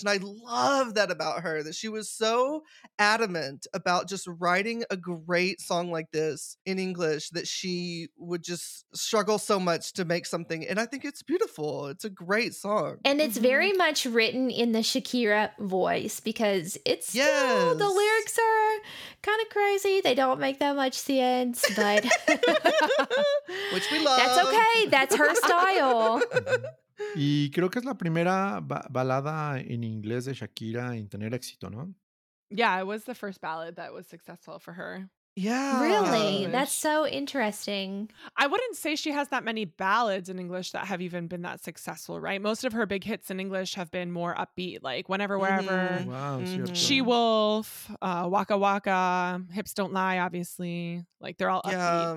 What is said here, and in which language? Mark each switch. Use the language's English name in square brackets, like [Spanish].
[English] And I love that about her, that she was so adamant about just writing a great song like this in English that she would just struggle so much to make something. And I think it's beautiful. It's a great song. And it's very much written in the Shakira voice because it's still, the lyrics are kind of crazy. They don't make that much sense, but which we love. That's okay. That's her style. [Spanish] Y creo que es la primera balada en inglés de Shakira en tener éxito, ¿no? [English] Yeah, it was the first ballad that was successful for her. Yeah. Really? That's so interesting. I wouldn't say she has that many ballads in English that have even been that successful, right? Most of her big hits in English have been more upbeat, like Whenever, Wherever, She Wolf, Waka Waka, Hips Don't Lie, obviously. Like, they're all upbeat.